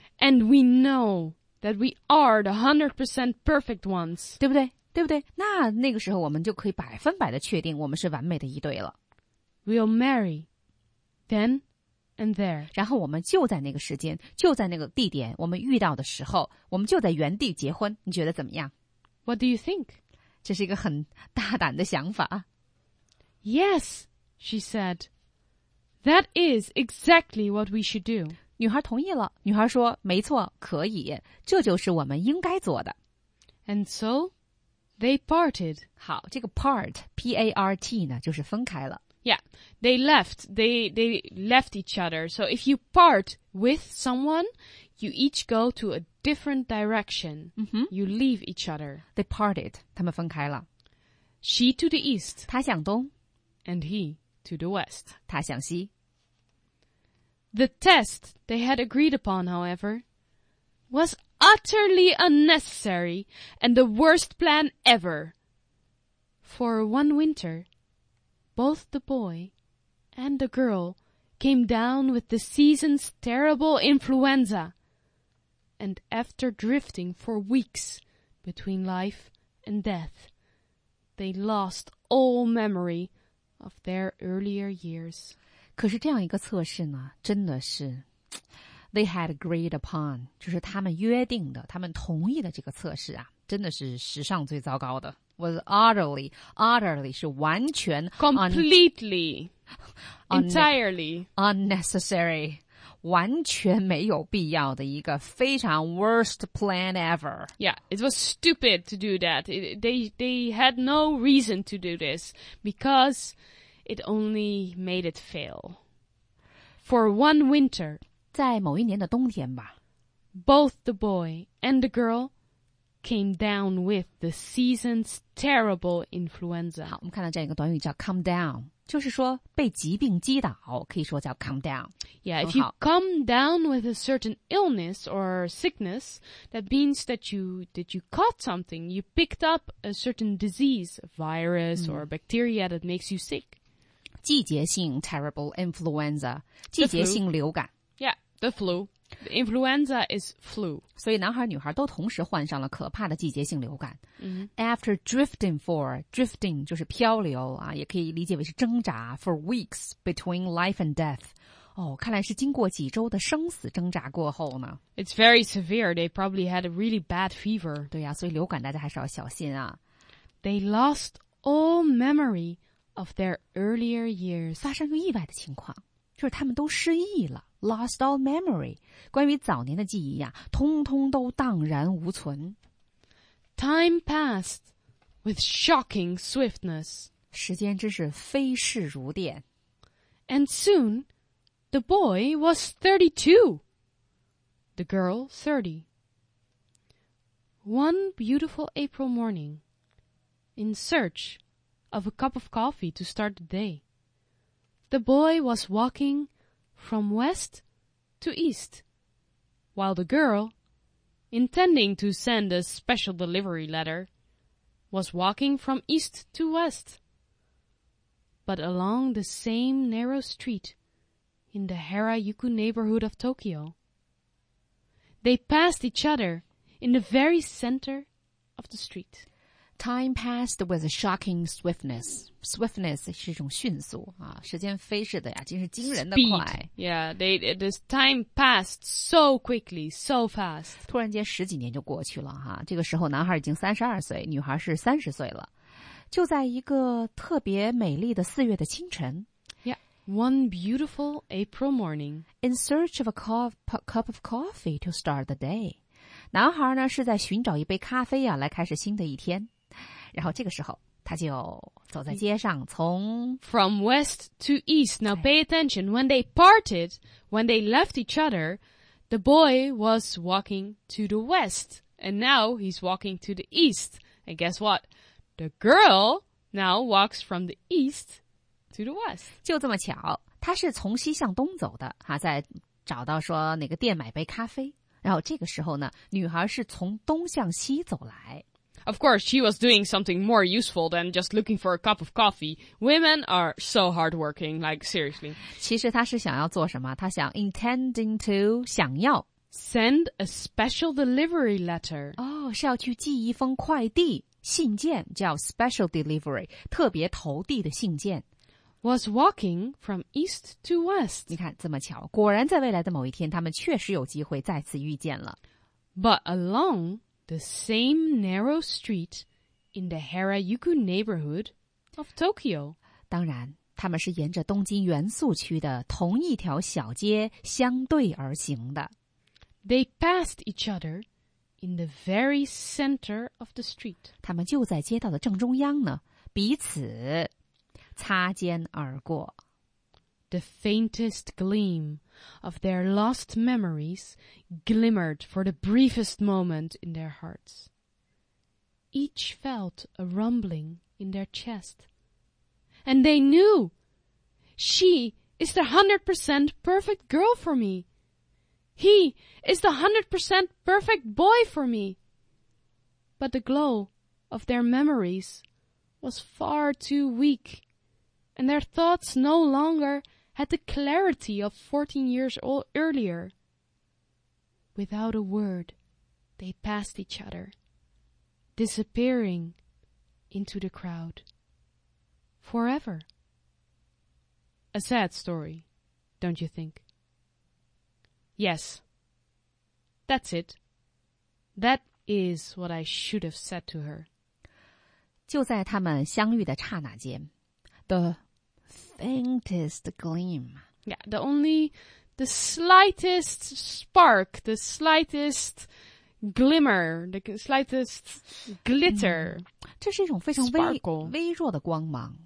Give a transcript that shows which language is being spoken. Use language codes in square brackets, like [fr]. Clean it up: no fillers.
[en] ，and we know that we are the 100% perfect ones， [zh] 对不对？对不对？那个时候我们就可以百分百的确定我们是完美的一对了。 [en] we'll marry then and there. [zh] 然后我们就在那个时间，就在那个地点，我们遇到的时候，我们就在原地结婚，你觉得怎么样？ [en] What do you think? [zh] 这是一个很大胆的想法。 [en] Yes, she said. That is exactly what we should do. [zh] 女孩同意了，女孩说，没错，可以，这就是我们应该做的。 [en] And so, they parted. [zh] 好，这个 part, P-A-R-T 呢，就是分开了。 [en] Yeah, they left each other. So if you part with someone, you each go to a different direction.、 Mm-hmm. You leave each other. They parted, [zh] 他们分开了。 [en] She to the east. [zh] 他向东。 [en] And he to the west. [zh] 他向西。 [en] The test they had agreed upon, however... was utterly unnecessary and the worst plan ever. For one winter, both the boy and the girl came down with the season's terrible influenza, and after drifting for weeks between life and death, they lost all memory of their earlier years. [zh] 可是这样一个测试呢，真的是 [en] They had agreed upon, [zh] 就是他们约定的，他们同意的这个测试啊，真的是史上最糟糕的。 [en] Was utterly, utterly [zh] 是完全 [en] completely, entirely [zh] unnecessary, 完全没有必要的一个非常 [en] worst plan ever. Yeah, it was stupid to do that. They had no reason to do this because it only made it fail. For one winter. [zh] 在某一年的冬天吧 [en] Both the boy and the girl came down with the season's terrible influenza. [zh] 好，我们看到这样一个短语叫 come down, 就是说被疾病击倒，可以说叫 come down. [en] Yeah, if you come down with a certain illness or sickness, that means that you caught something, you picked up a certain disease, a virus or a bacteria that makes you sick. [zh] 季节性 [en] terrible influenza, [zh] 季节性流感。 [en] The flu. The influenza is flu. [zh] 所以男孩女孩都同时患上了可怕的季节性流感。 Mm-hmm. [en] After drifting for, drifting [zh] 就是漂流啊，也可以理解为是挣扎 [en] for weeks between life and death. [zh] 哦，看来是经过几周的生死挣扎过后呢。 [en] It's very severe. They probably had a really bad fever. [zh] 对啊，所以流感大家还是要小心啊。 [en] They lost all memory of their earlier years. [zh] 发生个意外的情况。就是他们都失忆了 , [en] lost all memory, [zh] 关于早年的记忆啊，通通都荡然无存。 [en] Time passed with shocking swiftness. [zh] 时间真是飞逝如电。 [en] And soon, the boy was 32, the girl 30. One beautiful April morning, in search of a cup of coffee to start the day. The boy was walking from west to east, while the girl, intending to send a special delivery letter, was walking from east to west. But along the same narrow street in the Harajuku neighborhood of Tokyo, they passed each other in the very center of the street. Time passed with a shocking swiftness. [zh] Swiftness 是一种迅速啊，时间飞逝的呀，真是惊人的快。 [en] Speed. Yeah, this time passed so quickly, so fast. [zh] 突然间十几年就过去了哈、啊，这个时候男孩已经32岁，女孩是30岁了。就在一个特别美丽的四月的清晨 [en] ，Yeah, one beautiful April morning, in search of a cup of coffee to start the day. [zh] 男孩呢是在寻找一杯咖啡啊来开始新的一天。然后这个时候他就走在街上从 [en] From west to east. Now pay attention. When they parted, when they left each other, the boy was walking to the west. And now he's walking to the east. And guess what? The girl now walks from the east to the west. [zh] 就这么巧他是从西向东走的啊在找到说哪个店买杯咖啡。然后这个时候呢，女孩是从东向西走来。 [en] Of course, she was doing something more useful than just looking for a cup of coffee. Women are so hardworking, like seriously. [zh] 其实她是想要做什么？她想 [en] intending to [zh] 想要 [en] send a special delivery letter. [zh] 哦，是要去寄一封快递信件，叫 special delivery， 特别投递的信件。 [en] was walking from east to west. [zh] 你看，这么巧，果然在未来的某一天，他们确实有机会再次遇见了。 [en] But along the same narrow street in the Harajuku neighborhood of Tokyo. [zh] 当然，他们是沿着东京元素区的同一条小街相对而行的。 [en] They passed each other in the very center of the street. [zh] 他们就在街道的正中央呢，彼此擦肩而过。 [en] The faintest gleam of their lost memories glimmered for the briefest moment in their hearts. Each felt a rumbling in their chest. And they knew, she is the 100% perfect girl for me. He is the 100% perfect boy for me. But the glow of their memories was far too weak. And their thoughts no longer had the clarity of 14 years earlier. Without a word, they passed each other, disappearing into the crowd. Forever. A sad story, don't you think? Yes. That's it. That is what I should have said to her. [zh] 就在他们相遇的刹那间 [en] theFaintest gleam. Yeah, the slightest spark, the slightest glimmer, the slightest glitter. [zh] 这是一种非常微弱的光芒。